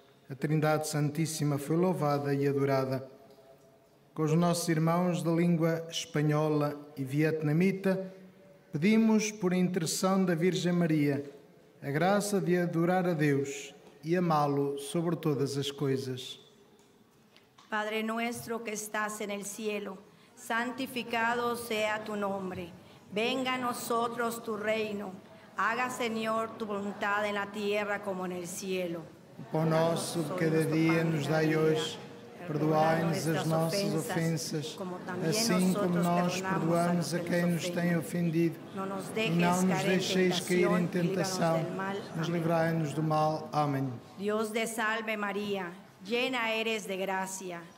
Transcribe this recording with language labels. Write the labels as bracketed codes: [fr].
[pt] A Trindade Santíssima foi louvada e adorada. Com os nossos irmãos da língua espanhola e vietnamita, pedimos, por intercessão da Virgem Maria, a graça de adorar a Deus e amá-lo sobre todas as coisas. [es] Padre nuestro que estás en el cielo, santificado sea tu nombre. Venga a nosotros tu reino, haga, Señor, tu voluntad en la tierra como en el cielo. [pt] Pão nosso cada dia nos dai hoje, perdoai-nos as nossas ofensas, assim como nós perdoamos a quem nos tem ofendido. E não nos deixeis cair em tentação, mas livrai-nos do mal. Amém. Deus te salve, Maria, [es] llena eres de [pt] graça.